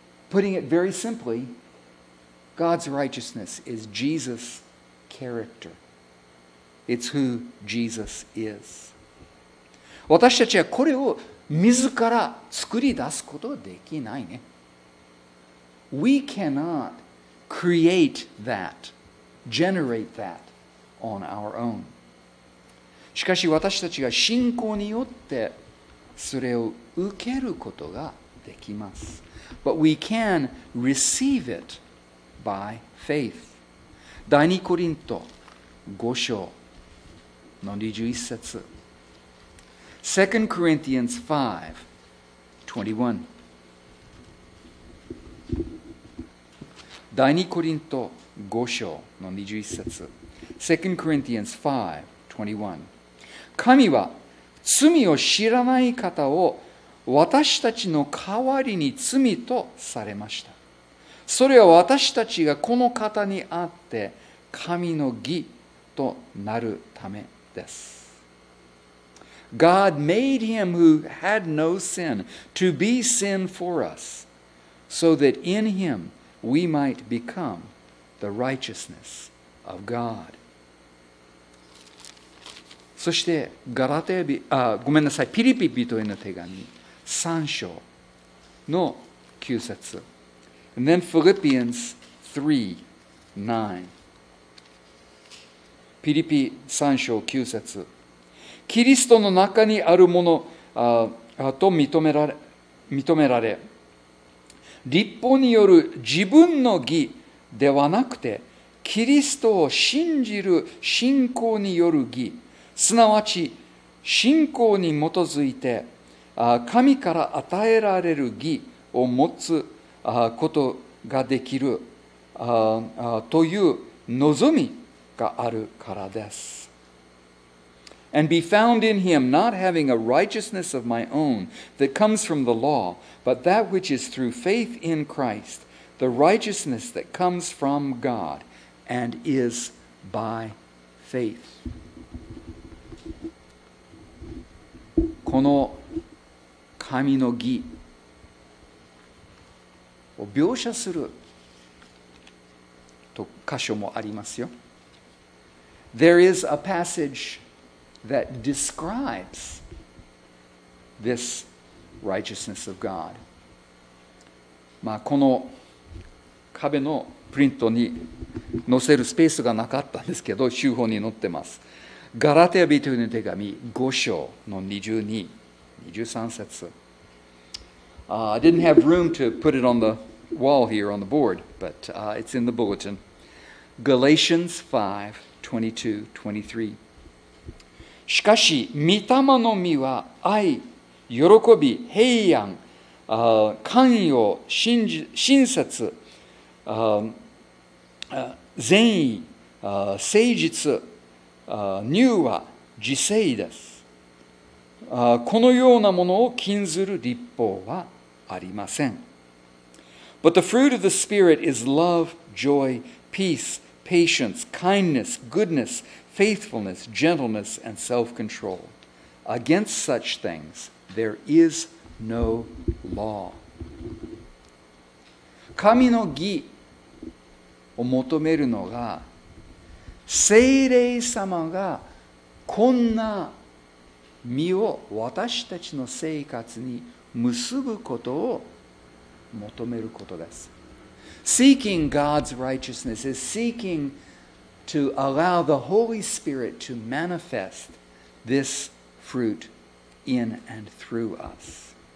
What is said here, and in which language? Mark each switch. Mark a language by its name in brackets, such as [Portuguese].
[English] Putting it very simply, God's righteousness is Jesus' character. It's who Jesus is. [Japanese] 私たちはこれを自ら作り出すことはできないね。 [English] We cannot create that, generate that on our own. [Japanese] しかし私たちが信仰によってそれを受けることができます。 [English] But we can receive it by faith. [Japanese] 第二コリント五章の二十一節。 [English] 2 Corinthians 5:21. [Japanese] 第2コリント5章の21節。2 [English] Corinthians 5:21. [Japanese] 神は罪を知らない方を私たちの代わりに罪とされました。それは私たちがこの方にあって神の義となるためです。 [English] God made him who had no sin to be sin for us, so that in him we might become the righteousness of God. [Japanese] そしてガラテビ、あ、ごめんなさい、ピリピ人への手紙3章の9節。 [English] And then Philippians 3:9. [Japanese] ピリピ3章9節。キリストの中にあるものと認められ、立法による自分の義ではなくて、キリストを信じる信仰による義、すなわち信仰に基づいて神から与えられる義を持つことができるという望みがあるからです。 [English] And be found in him, not having a righteousness of my own that comes from the law, but that which is through faith in Christ, the righteousness that comes from God and is by faith. [Japanese] この神の義を描写すると箇所もありますよ。 [English] There is a passage that describes this righteousness of God. [Japanese] まあこの壁のプリントに載せるスペースがなかったんですけど、修法に載ってます。ガラテヤ人への手紙5章の22-23節。 [English] I didn't have room to put it on the wall here on the board, but it's in the bulletin. Galatians 5:22-23。 [Japanese] しかし御霊の実は愛、喜び、平安、寛容、親切、善意、誠実、柔和、自制です。このようなものを禁ずる律法はありません。 [English] But the fruit of the Spirit is love, joy, peace, patience, kindness, goodness,faithfulness, gentleness, and self-control. Against such things, there is no law. [Japanese] 神の義を求めるのが、聖霊様がこんな実を私たちの生活に結ぶことを求めることです。 [English] Seeking God's righteousness is seekingto allow the Holy Spirit to manifest this fruit in and through us.